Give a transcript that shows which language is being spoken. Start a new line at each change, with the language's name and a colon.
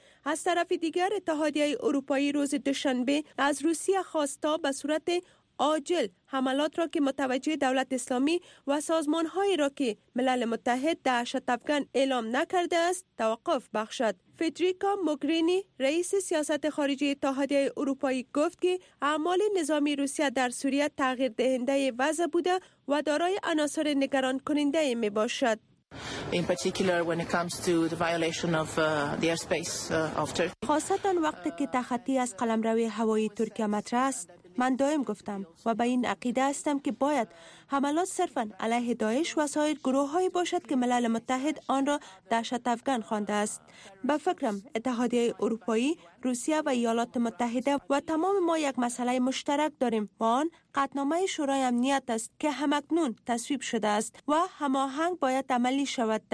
Persian: از طرف دیگر اتحادیه اروپایی روز دوشنبه از روسیه خواست تا به صورت عاجل حملات را که متوجه دولت اسلامی و سازمان‌هایی را که ملل متحد دهشت افغان اعلام نکرده است توقف بخشد. فدریکا موگرینی رئیس سیاست خارجی اتحادیه اروپایی گفت که اعمال نظامی روسیه در سوریه تغییر دهنده وضع بوده و دارای عناصر نگران کننده می باشد.
English: In particular when it comes to the violation of the airspace of Turkey.
Persian: خاصتاً وقتی که تخطی از قلمرو هوایی ترکیه مطرح است، من دائم گفتم و به این عقیده هستم که باید حملات صرفاً علیه داعش و سایر گروه‌هایی باشد که ملل متحد آن را دهشت افغان خوانده است. به فکرم اتحادیه اروپایی، روسیه و ایالات متحده و تمام ما یک مسئله مشترک داریم و آن قطعنامه شورای امنیت است که همکنون تصویب شده است و هماهنگ باید عملی شود.